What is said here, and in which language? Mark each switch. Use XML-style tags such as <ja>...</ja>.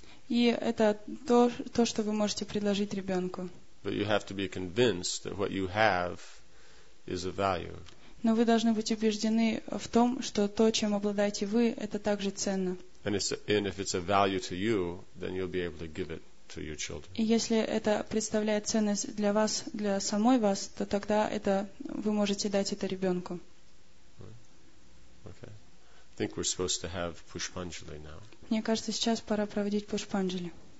<ru>И это то, что вы можете предложить ребенку.</ru> <en>But you have to be convinced that what you have is of value.</en> <ru>Но вы должны быть убеждены в том, что то, чем обладаете вы, это также ценно.</ru> <en>And if it's of value to you, then you'll be able to give it. To your children.</en> <ru>И если это представляет ценность для вас, для самой вас, то тогда это вы можете дать это ребенку.</ru> <en>Okay. I think we're supposed to have Pushpanjali now.</en> <ru>Мне кажется, сейчас пора проводить Пушпанджали.</ru>